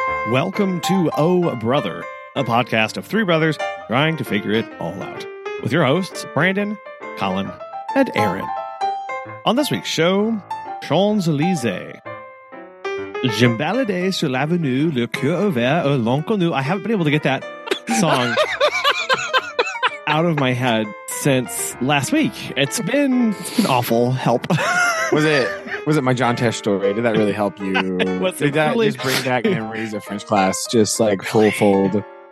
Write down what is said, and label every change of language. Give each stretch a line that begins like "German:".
English: Welcome to Oh Brother, a podcast of three brothers trying to figure it all out, with your hosts, Brandon, Colin, and Aaron. On this week's show, Champs-Élysées.
French: Je me balade sur l'avenue, le cœur ouvert, au long connu.
English: I haven't been able to get that song out of my head since last week. It's been awful. Help. Was it my John Tesh story? Did that really help you? Just bring back memories of French class, just like full fold.